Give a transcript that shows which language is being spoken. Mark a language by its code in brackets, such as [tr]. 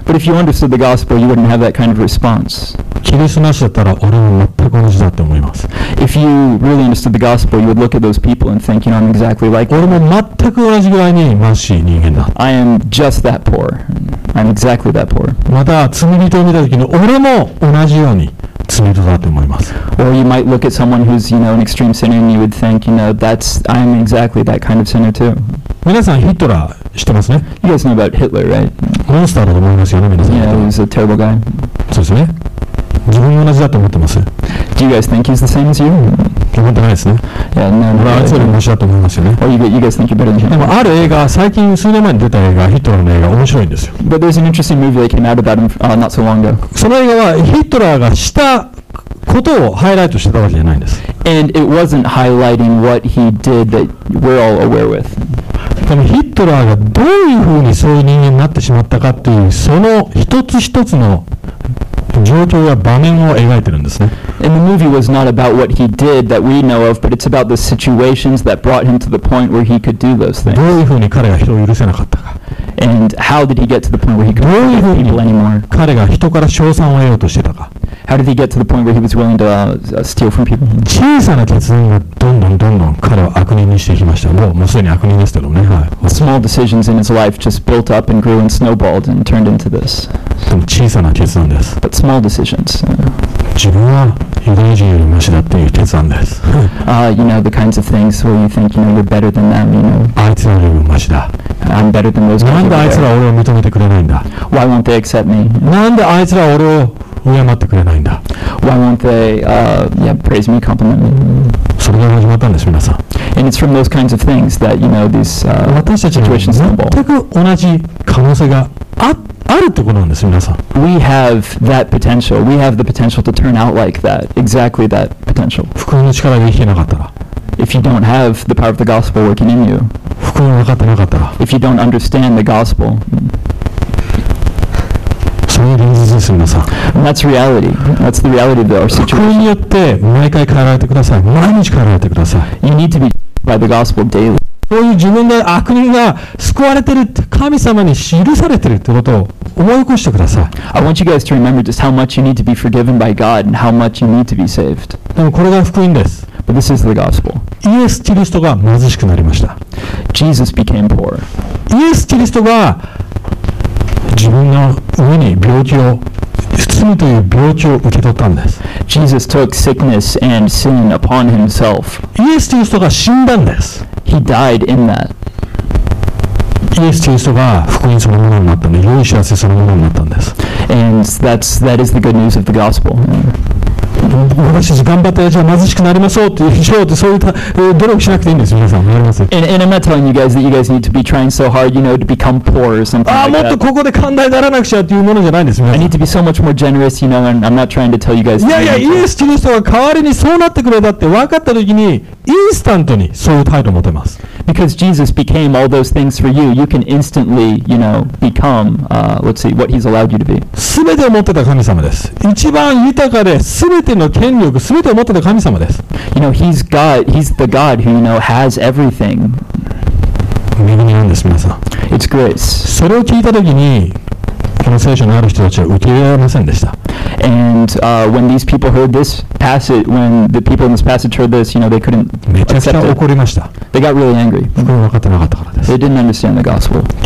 [en] But if you understood the gospel, you wouldn't have that kind of response. [ja] キリストなしだったら俺も全く同じだって思います。 [en] If you really understood the gospel, you would look at those people and think, you know, I'm exactly like them. [ja] 俺も全く同じぐらいに貧しい人間だ。 [en] I am just that poor. I'm exactly that poor. [ja] また罪人を見た時に俺も同じように罪人だって思います。 [en] Or you might look at someone who's, you know, an extreme sinner and you would think, you know, that's, I'm exactly that kind of sinner too. [ja] 皆さんヒトラー知ってますね。 [en] You guys know about Hitler, right? [ja] モンスターだと思いますよね、皆さん。 [en] Yeah, he's a terrible guy. [ja] そうですね。自分も同じだと思ってます。 [en] Do you guys think he's the same as you? [ja] 思ってないですね。 [en] Yeah, no, no. [ja] あいつより面白いと思いますよね。 [en] Or you guys think you're better than him? [ja] でもある映画、最近数年前に出た映画、ヒトラーの映画、面白いんですよ。 [en] But there's an interesting movie that came out about him not so long ago. [ja] その映画はヒトラーがしたことをハイライトしてたわけじゃないんです。 [en] And it wasn't highlighting what he did that we're all aware with. [ja] でもヒトラーがどういうふうにそういう人間になってしまったかっていうその一つ一つの状況や場面を描いてるんですね。 [en] And the movie was not about what he did that we know of, but it's about the situations that brought him to the point where he could do those things. [ja] どういうふうに彼が人を許せなかったか。 [en] And how did he get to the point where he couldn't forgive people anymore? [ja] どういうふうに彼が人から称賛を得ようとしてたか。 [en] How did he get to the point where he was willing to steal from people? [ja] 小さな決断がどんどんどんどん彼を悪人にしていきました。もうすでに悪人ですけどね。はい。 [en] Small decisions in his life just built up and grew and snowballed and turned into this. [ja] でも小さな決断です。 [en] But small decisions. [ja] 自分はユダヤ人よりマシだっていう決断です。 [en] you know the kinds of things where you think you know you're better than them, you know. [ja] あいつよりもマシだ。 [en] I'm better than those people. [ja] なんであいつら俺を認めてくれないんだ。 [en] Why won't they accept me? [ja] なんであいつら俺を敬ってくれないんだ。 [en] Why won't they, yeah, praise me, compliment me? [ja] それが始まったんです、皆さん。 [en] And it's from those kinds of things that you know these situations stumble. [ja] 全く同じ可能性があって。あるってことなんです、皆さん。 [en] We have that potential. We have the potential to turn out like that. Exactly that potential. [ja] 福音の力が生きてなかったら。 [en] If you don't have the power of the gospel working in you. [ja] 福音が分かってなかったら。 [en] If you don't understand the gospel. [ja] それが現実です、皆さん。 [en] And that's reality. That's the reality of our situation. [ja] 福音によって毎回変えられてください。毎日変えられてください。 [en] You need to be by the gospel daily. [ja] そういう自分の悪人が救われてる、神様に記されてるってことを思い起こしてください。 [en] I want you guys to remember just how much you need to be forgiven by God and how much you need to be saved. [ja] でもこれが福音です。 [en] But this is the gospel. [ja] イエス・キリストが貧しくなりました。 [en] Jesus became poor. [ja] イエス・キリストが自分の上に病気を罪という病気を受け取ったんです。 [en] Jesus took sickness and sin upon himself. [ja] イエス・キリストが死んだんです。 [en] He died in that. [ja] イエス・キリストが福音そのものになったんで、良い知らせそのものになったんです。 [en] And that is the good news of the gospel. [ja] 私たち頑張ってじゃあ貧しくなりましょうって、しようってそういった努力しなくていいんです、皆さん。わかります。 [en] And I'm not telling you guys that you guys need to be trying so hard, you know, to become poor or something like that. [ja] もっとここで寛大にならなくちゃっていうものじゃないんです、皆さん。 [en] I need to be so much more generous, you know, and I'm not trying to tell you guys. [ja] いやいや、イエス・キリストが代わりにそうなってくれたって分かった時に、インスタントにそういう態度を持てます。 [en] Because Jesus became all those things for you, you can instantly, you know, become, let's see, what he's allowed you to be. [ja] 全てを持ってた神様です。一番豊かで、全ての権力、全てを持ってた神様です。 [en] You know, he's God, he's the God who, you know, has everything. [ja] 恵みなんです、皆さん。 [en] It's grace. [ja] それを聞いたときに、この聖書のある人たちは受け入れられませんでした。 [en] And when these people heard this passage, when the people in this passage heard this, you know, they couldn't accept it. They got really angry. They didn't understand the gospel.